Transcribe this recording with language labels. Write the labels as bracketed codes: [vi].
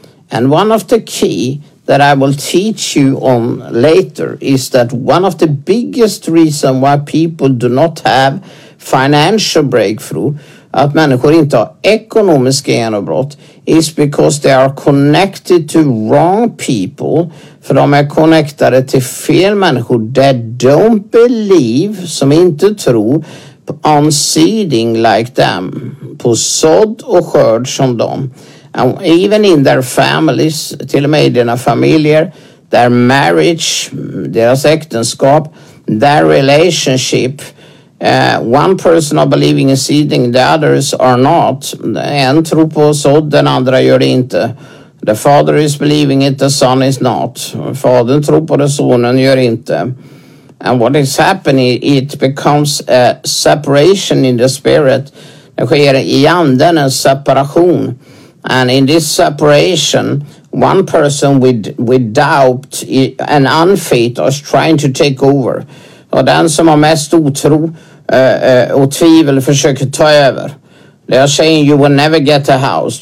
[en] And one of the key that I will teach you on later is that one of the biggest reason why people do not have financial breakthrough, [sv] att människor inte har ekonomiska genombrott, [en] is because they are connected to wrong people. [sv] För de är connectade till fel människor [en] that don't believe, [sv] som inte tror, [en] on seeding like them. [sv] På sådd och skörd som dem. [en] And even in their families, [sv] till och med i dina familjer, [en] their marriage, [sv] deras äktenskap, [en] their relationship. One person are believing in seeding, the others are not. [sv] En tror på sådd, den andra gör det inte. [en] The father is believing it, the son is not. [sv] Fadern tror på det, sonen gör inte. [en] And what is happening, it becomes a separation in the spirit. [sv] Det sker i anden en separation. [en] And in this separation, one person with doubt and unfaith is trying to take over. [sv] Och den som har mest otro och tvivel försöker ta över. [en] They are saying you will never get a house.